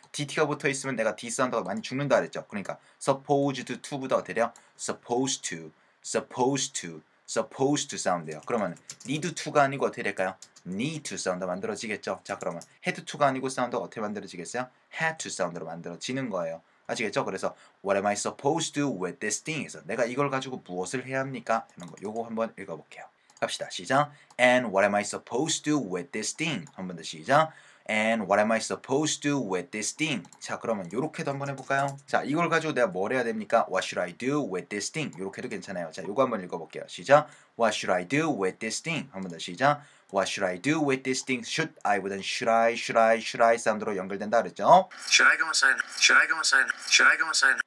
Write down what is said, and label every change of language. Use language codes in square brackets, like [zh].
[ko] DT가 붙어있으면 내가 D사운드가 많이 죽는다 그랬죠? 그러니까 supposed to보다 어때요? [en] Supposed to, supposed to, supposed to [ko] 사운드예요. 그러면 need to가 아니고 어떻게 될까요? need to 사운드 만들어지겠죠? 자 그러면 had to가 아니고 사운드 어떻게 만들어지겠어요? had to 사운드로 만들어지는 거예요. 아시겠죠? 그래서 [en] what am I supposed to do with this thing? [ko] 해서 내가 이걸 가지고 무엇을 해야 합니까? 하는 거 요거 한번 읽어볼게요. 갑시다. 시작. [en] And what am I supposed to do with this thing? [ko] 한 번 더 시작. [en] And what am I supposed to do with this thing? [ko] 자 그러면 요렇게도 한번 해볼까요? 자 이걸 가지고 내가 뭘 해야 됩니까? [en] What should I do with this thing? [ko] 요렇게도 괜찮아요. 자 요거 한번 읽어볼게요. 시작. [en] What should I do with this thing? [ko] 한 번 더 시작. [en] What should I do with this thing? Should I? [ko] 보단 should I 사운드로 연결된다 그랬죠? [en] Should I go and sign? Should I go and sign? Should I go and sign?